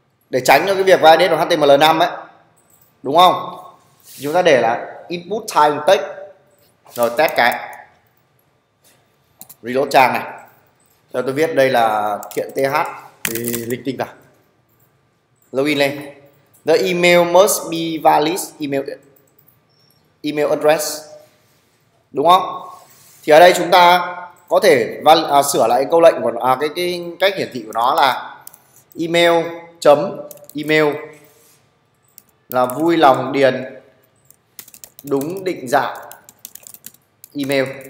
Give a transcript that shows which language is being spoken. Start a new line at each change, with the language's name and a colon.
Vietnamese: Để tránh cho cái việc validate bằng HTML5 ấy. Đúng không? Chúng ta để là input type bằng text. Rồi test cái. Reload trang này. Cho tôi viết đây là kiện TH thì linh tinh cả. Login lên.
English: The email must be valid email email address.
Vietnamese: Đúng không? Thì ở đây chúng ta có thể sửa lại câu lệnh của cái cách hiển thị của nó là email.email là vui lòng điền đúng định dạng email.